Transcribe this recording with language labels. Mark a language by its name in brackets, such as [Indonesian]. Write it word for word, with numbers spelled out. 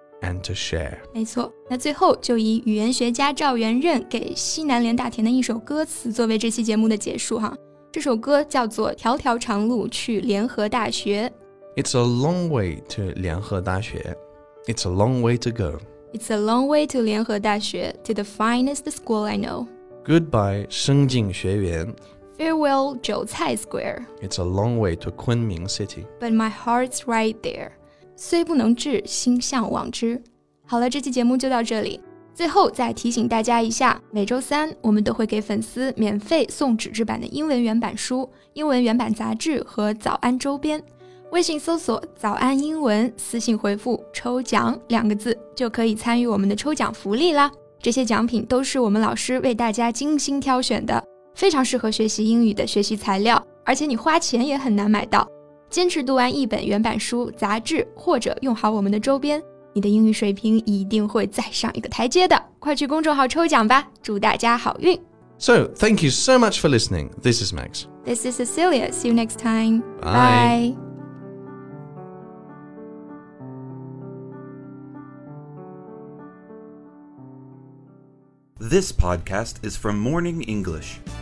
[English] And to share. [Chinese] 没错，那最后就以语言学家赵元任给西南联大填的一首歌词作为这期节目的结束哈。这首歌叫做《条条长路去联合大学》。 [English] It's a long way to 联合大学。 It's a long way to go. It's a long way to 联合大学 to the finest school I know. Goodbye, 生境学园。 Farewell, 韭菜 Square. It's a long way to 昆明 City. But my heart's right there. [Chinese] 虽不能至，心向往之。好了，这期节目就到这里。最后再提醒大家一下，每周三我们都会给粉丝免费送纸质版的英文原版书、英文原版杂志和早安周边。微信搜索早安英文，私信回复抽奖两个字，就可以参与我们的抽奖福利啦。这些奖品都是我们老师为大家精心挑选的，非常适合学习英语的学习材料，而且你花钱也很难买到。坚持读完一本原版书、杂志，或者用好我们的周边，你的英语水平一定会再上一个台阶的。快去公众号抽奖吧，祝大家好运。 [English] So, thank you so much for listening. This is Max. This is Cecilia. See you next time. Bye. Bye. This podcast is from Morning English.